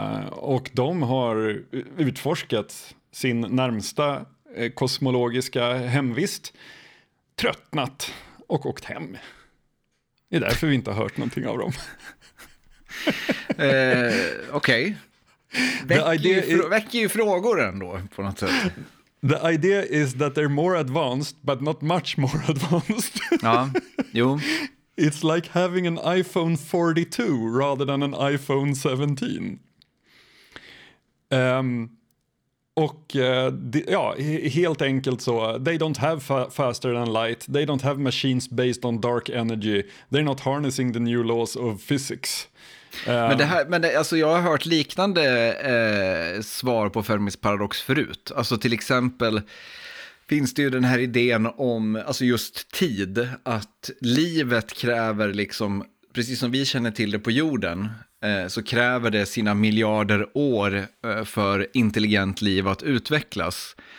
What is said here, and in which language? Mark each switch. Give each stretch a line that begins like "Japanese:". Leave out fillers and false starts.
Swedish: Och de har utforskat sin närmsta kosmologiska hemvist, tröttnat och åkt hem. Det är därför vi inte har hört någonting av dem. Okej. Väcker ju frågor ändå på något sätt.
English: The idea is that they're more advanced, but not much more advanced.
Swedish: Ja, jo.
English: It's like having an iPhone 42 rather than an iPhone 17.
Swedish: Och ja, helt enkelt så,
English: they don't have faster than light, they don't have machines based on dark energy, they're not harnessing the new laws of physics.
Swedish: Men det här, men det, alltså jag har hört liknande svar på Fermis paradox förut. Alltså till exempel finns det ju den här idén om, alltså just tid, att livet kräver liksom, precis som vi känner till det på jorden, så kräver det sina miljarder år för intelligent liv att utvecklas.